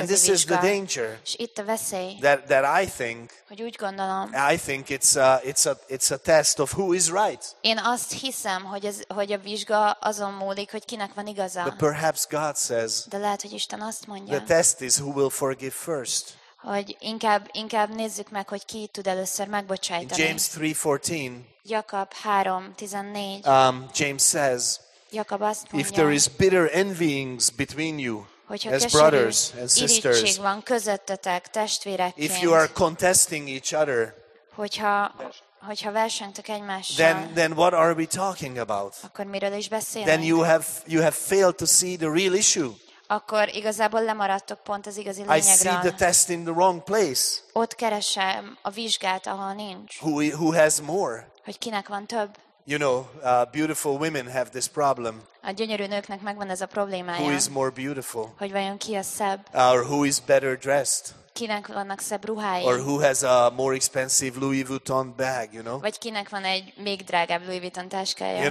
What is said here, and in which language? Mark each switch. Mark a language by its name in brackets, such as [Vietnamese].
[English] and this [Hungarian] vizsga. [English] Is the danger. [Hungarian] És itt a veszély. [English] That I think. [Hungarian] Hogy úgy gondolom. [English] I think it's a test of who is right. [Hungarian] Én azt hiszem, hogy a vizsga azon múlik, hogy kinek van igaza. [English] But perhaps God says, [Hungarian] de lehet, hogy Isten azt mondja, [English] the test is who will forgive first. [Hungarian] Hogy inkább nézzük meg, hogy ki tud először megbocsájtani. [English] James 3:14. [Hungarian] Jakab 3:14. [English] James says, [Hungarian] Jakab azt mondja, [English] if there is bitter envyings between you, as brothers and sisters, [Hungarian] irítség van közöttetek, testvérekként, [English] if you are contesting each other, [Hungarian] hogyha versenytek egymással, [English] then what are we talking about? [Hungarian] Akkor miről is beszélünk? [English] Then you have failed to see the real issue. [Hungarian] Akkor igazából lemaradtok pont az igazi lényegről. [English] I see the test in the wrong place. [Hungarian] Ott keresem a vizsgát, ahol nincs. [English] Who has more? [Hungarian] Hogy kinek van több? [English] You know, beautiful women have this problem. [Hungarian] A gyönyörű nőknek megvan ez a problémája. [English] Who is more beautiful? [Hungarian] Hogy vajon ki a szebb? [English] Or who is better dressed? [Hungarian] Kinek vannak szebb ruhái? [English] Or who has a more expensive Louis Vuitton bag, you know? [Hungarian] Vagy kinek van egy még drágább Louis Vuitton táskája?